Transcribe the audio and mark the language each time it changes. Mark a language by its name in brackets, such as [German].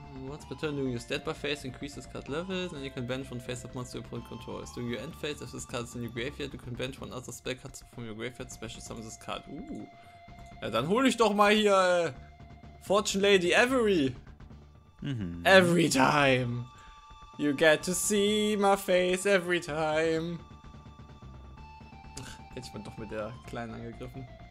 [English] Once per turn, doing your standby phase, increase this card level. Then you can banish one face up monster your opponent controls. During your end phase, if this card is in your graveyard, you can banish one other spell card from your graveyard, special summon this card. [German] Ja, dann hole ich doch mal hier Fortune Lady Avery. [English] Every time. You get to see my face every time. [German] Ach, hätte ich mal doch mit der Kleinen angegriffen.